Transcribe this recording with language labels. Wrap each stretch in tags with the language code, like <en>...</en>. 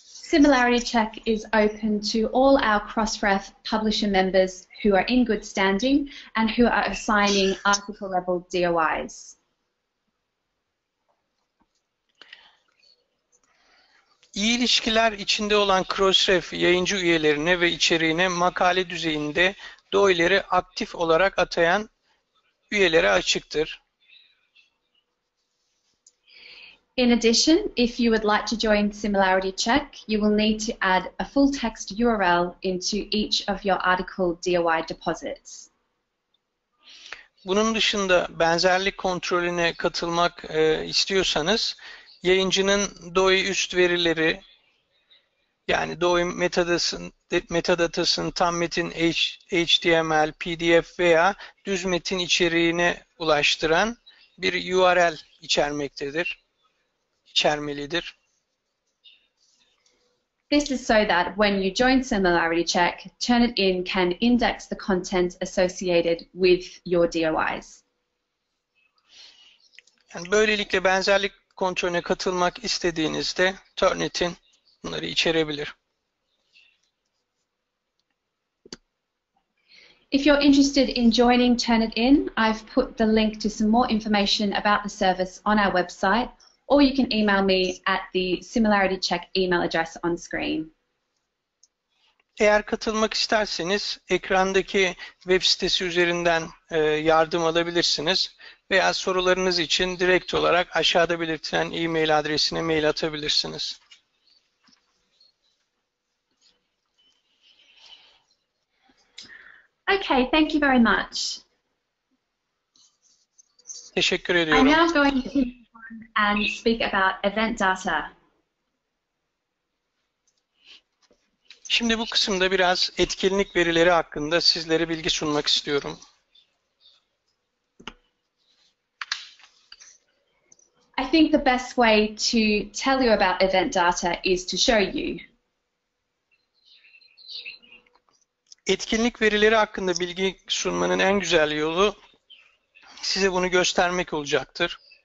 <en>Similarity Check is open to all our Crossref publisher members who are in good standing and who are assigning article level DOIs.</en> <tr>İyi ilişkiler içinde olan Crossref yayıncı üyelerine ve içeriğine makale düzeyinde DOI'leri aktif olarak atayan üyelere açıktır.</tr> <en>In addition, if you would like to join Similarity Check, you will need to add a full text URL into each of your article DOI deposits.</en> <tr>Bunun dışında benzerlik kontrolüne katılmak istiyorsanız, yayıncının DOI üst verileri, yani DOI metadatasının tam metin HTML, PDF veya düz metin içeriğine ulaştıran bir URL içermektedir. İçermelidir.</tr> <en>This is so that when you join Similarity Check, Turnitin can index the content associated with your DOIs.</en> <tr>Yani böylelikle benzerlik kontrolüne katılmak istediğinizde Turnitin bunları içerebilir.</tr> <en>If you're interested in joining Turnitin, I've put the link to some more information about the service on our website. Or you can email me at the Similarity Check email address on screen.</en> <tr>Eğer katılmak isterseniz ekrandaki web sitesi üzerinden yardım alabilirsiniz veya sorularınız için direkt olarak aşağıda belirtilen e-mail adresine mail atabilirsiniz.</tr> <en>Okay, thank you very much.</en> <tr>Teşekkür ediyorum.</tr> <en>I'm now going to and speak about event data.</en> <tr>Şimdi bu kısımda biraz etkinlik verileri hakkında sizlere bilgi sunmak istiyorum.</tr> <en>I think the best way to tell you about event data is to show you.</en> <tr>Etkinlik verileri hakkında bilgi sunmanın en güzel yolu size bunu göstermek olacaktır.</tr>